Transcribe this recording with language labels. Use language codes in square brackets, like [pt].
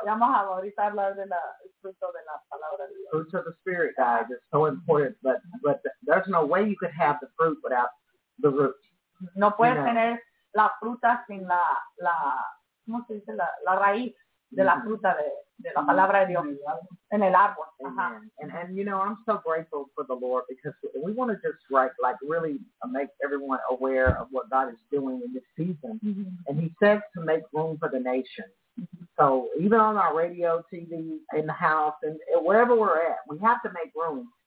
[es] Y vamos a ahorita hablar del fruto de la palabra de Dios. [en] Fruits of the Spirit, guys, it's so important. But there's no way you could have the fruit without the root. [es] No puedes tener la fruta sin la ¿cómo se dice? La raíz de la fruta de la palabra de Dios en el árbol. [en] And you know, I'm so grateful for the Lord because we want to just like really make everyone aware of what God is doing in this season. Mm-hmm. And he says to make room for the nations. Mm-hmm. So even on our radio, TV, in the house, and wherever we're at, we have to make room.